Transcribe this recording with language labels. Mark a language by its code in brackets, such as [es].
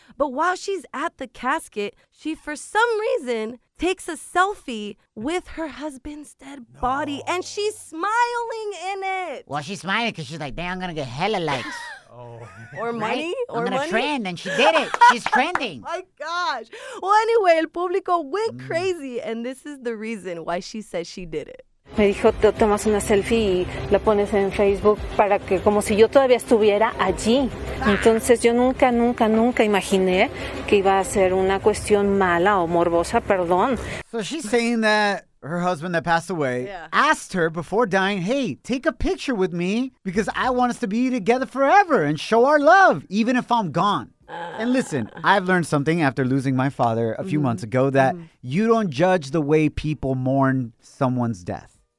[en] But while she's at the casket, she, for some reason, takes a selfie with her husband's dead body, and she's smiling in it. Well, she's smiling because she's like, damn, I'm going to get hella likes. Or money? Right? Or I'm going to trend, and she did it. She's trending. My gosh. Well, anyway, [es] el público [en] went crazy, and this is the reason why she said she did it. [es] Me dijo, tomas una selfie y la pones en Facebook para que, como si yo todavía estuviera allí. Entonces yo nunca imaginé que iba a ser una cuestión mala o morbosa, perdón. [en] So she's saying that her husband that passed away asked her before dying, hey, take a picture with me because I want us to be together forever and show our love, even if I'm gone. And listen, I've learned something after losing my father a few months ago that you don't judge the way people mourn someone's death.